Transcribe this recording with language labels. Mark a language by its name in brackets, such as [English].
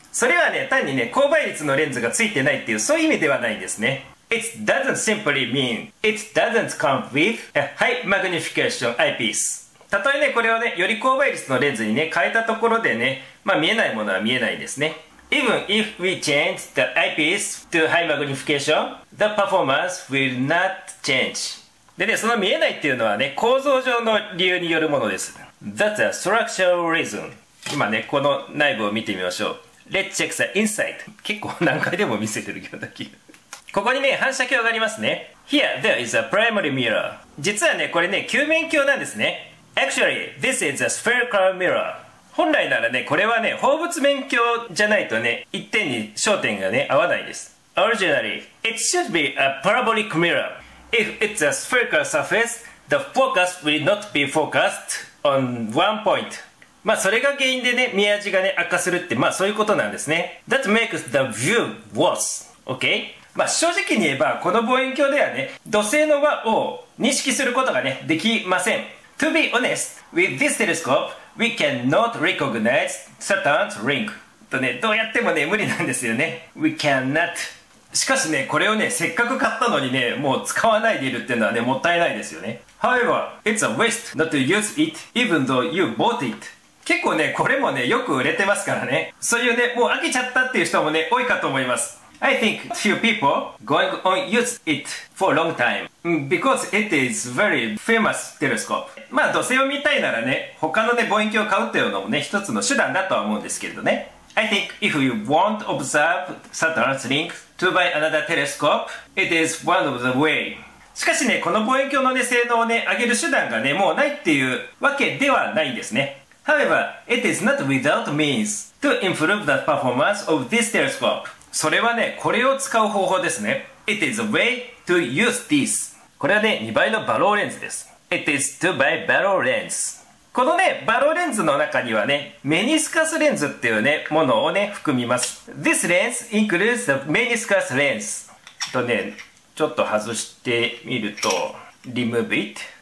[Japanese] それはね、単にね、高倍率のレンズがついてないっていう、そういう意味ではないんですね。 [English] It doesn't simply mean it doesn't come with a high magnification eyepiece. [Japanese] たとえね、これをね、より高倍率のレンズにね、変えたところでね、まあ見えないものは見えないですね。 [English] Even if we change the eyepiece to high magnification, the performance will not change. [Japanese] でね、その見えないっていうのはね、構造上の理由によるものです。 [English] That's a structural reason. [Japanese] 今ね、この内部を見てみましょう。 [English] Let's check the inside. [Japanese] 結構何回でも見せてるけど、ここにね、反射鏡がありますね。 [English] Here, there is a primary mirror. [Japanese] 実はね、これね、球面鏡なんですね。 [English] Actually, this is a spherical mirror. [Japanese] 本来ならね、これはね、放物面鏡じゃないとね、一点に焦点がね、合わないです。 [English] Originally, it should be a parabolic mirror. If it's a spherical surface, the focus will not be focused on one point. [Japanese] まあ、それが原因でね、見味がね、悪化するって、まあ、そういうことなんですね。 [English] That makes the view worse. Okay? [Japanese] まあ、正直に言えば、この望遠鏡ではね、土星の輪を認識することがね、できません。 [English] To be honest, with this telescope, we cannot recognize Saturn's ring. [Japanese] とね、どうやってもね、無理なんですよね。 [English] We cannot. [Japanese] しかしね、これをね、せっかく買ったのにね、もう使わないでいるっていうのはね、もったいないですよね。 [English] However, it's a waste not to use it, even though you bought it. [Japanese] 結構ね、これもね、よく売れてますからね。そういうね、もう飽きちゃったっていう人もね、多いかと思います。 [English] I think few people going on use it for long time because it is very famous telescope. [Japanese] まあ土星を見たいならね、他のね望遠鏡を買うっていうのもね一つの手段だとは思うんですけれどね。 [English] I think if you won't observe Saturn's ring to buy another telescope, it is one of the way. [Japanese] しかしね、この望遠鏡のね性能をね上げる手段がねもうないっていうわけではないんですね。 [English] However, it is not without means to improve the performance of this telescope. [Japanese] それはね、これを使う方法ですね。 [English] It is a way to use this. [Japanese] これはね、2倍のバローレンズです。 [English] It is [Japanese] 2倍バローレンズ。このね、バローレンズの中にはね、メニスカスレンズっていうね、ものをね、含みます。 [English] This lens includes the メニスカスレンズ。 [Japanese] とね、ちょっと外してみると、 [English] remove it。